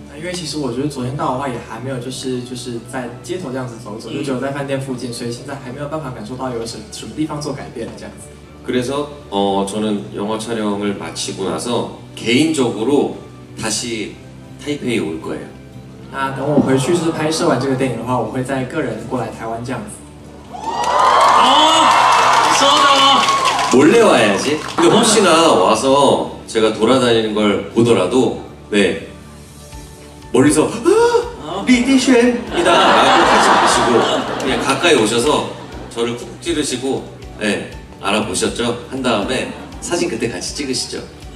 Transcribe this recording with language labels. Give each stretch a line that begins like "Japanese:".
Chinese: 因为其实我觉得昨天到的话也还没有就是在街头这样子走走，就只有在饭店附近，所以现在还没有办法感受到有什么地方做改变这样子。
Korean: 그래서저는영화촬영을마치고나서개인적으로다시타이페이올거예요
Chinese: 那等我回去是拍摄完这个电影的话，我会再个人过来台湾这样子。 아서다
Korean: 몰래와야지근데혹시나와서제가돌아다니는걸보더라도네멀리서리디션이다라고하지마시고그냥가까이오셔서저를꾹찌르시고예알아보셨죠한다음에사진그때같이찍으시죠